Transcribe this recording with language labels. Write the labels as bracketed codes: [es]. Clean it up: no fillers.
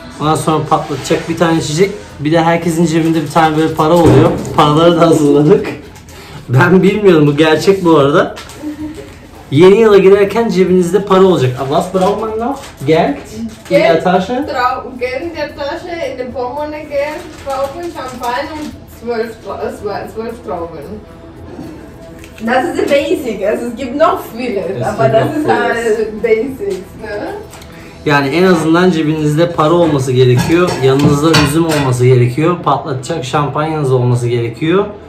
[tr] Ondan sonra patlatacak bir tane içecek. Bir de herkesin cebinde bir tane böyle para oluyor. Paraları da hazırladık. Ben bilmiyorum, bu gerçek bu arada. Yeni yıla girerken cebinizde para olacak. [de] Was braucht man noch? Geld? Geld, der Tasche? Geld in der Tasche, in der Portemonnaie Geld, Trauben, Champagne und 12 Trauben. Das ist basic. Also es gibt noch viele, es aber das ist alles basic. [tr] Ne? Yani en azından cebinizde para olması gerekiyor. Yanınızda üzüm olması gerekiyor. Patlatacak şampanyanız olması gerekiyor.